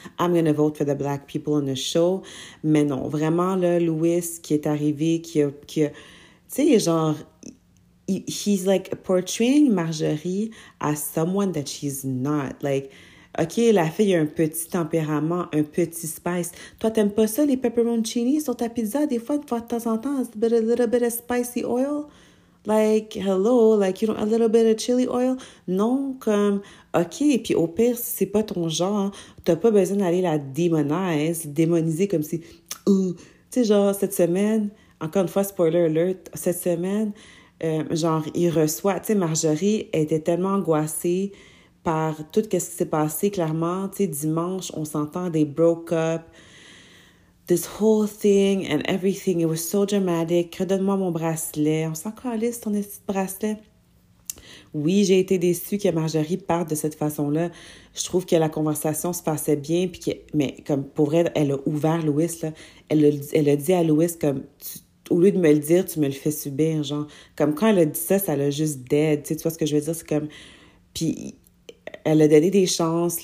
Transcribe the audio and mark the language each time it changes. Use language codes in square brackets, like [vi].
[en] I'm gonna vote for the black people on the show. [fr] Mais non, vraiment, là, Louis qui est arrivé, tu sais, genre, [en] he's like portraying Marjorie as someone that she's not. [fr] Like, OK, la fille a un petit tempérament, un petit spice. Toi, t'aimes pas ça, les pepperoncini sur ta pizza, des fois, de temps en temps, [en] a little bit of spicy oil? Like, hello, like, you know, a little bit of chili oil. [fr] Non, comme, OK, et puis au pire, si c'est pas ton genre, t'as pas besoin d'aller la démoniser comme si, ouh, tu sais, genre, cette semaine, encore une fois, spoiler alert, cette semaine, genre, il reçoit, tu sais, Marjorie était tellement angoissée par tout ce qui s'est passé, clairement, tu sais, dimanche, on s'entend des broke-up. [en] This whole thing and everything, it was so dramatic. [fr] Redonne-moi mon bracelet. On s'en calisse, ton petit bracelet. Oui, j'ai été déçue que Marjorie parte de cette façon-là. Je trouve que la conversation se passait bien, mais comme pour elle, elle a ouvert Louis, là. Elle a dit à Louis, comme, au lieu de me le dire, tu me le fais subir, genre. Comme quand elle a dit ça l'a juste dead. Tu vois ce que je veux dire? C'est comme. Puis elle a donné des chances.